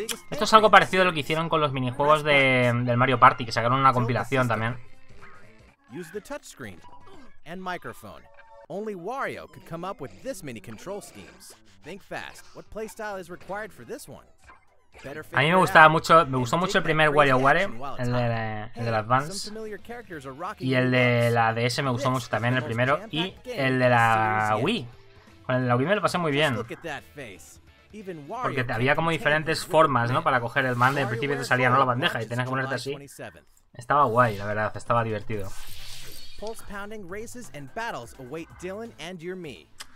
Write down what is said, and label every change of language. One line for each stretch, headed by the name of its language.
Spanish: Esto es algo parecido a lo que hicieron con los minijuegos del Mario Party, que sacaron una compilación también.
English: Use the touchscreen and microphone. Only Wario could come up with this many control schemes. Think fast. What playstyle is required for this one?
Spanish: A mí me gustó mucho el primer WarioWare, el de la Advance, y el de la DS me gustó mucho también el primero, y el de la Wii. Con el de la Wii me lo pasé muy bien, porque había como diferentes formas, ¿no? Para coger el mando, y al principio te salía, ¿no?, la bandeja y tenías que ponerte así. Estaba guay, la verdad, estaba divertido.
English: Pulse pounding races and battles await Dylan and your me.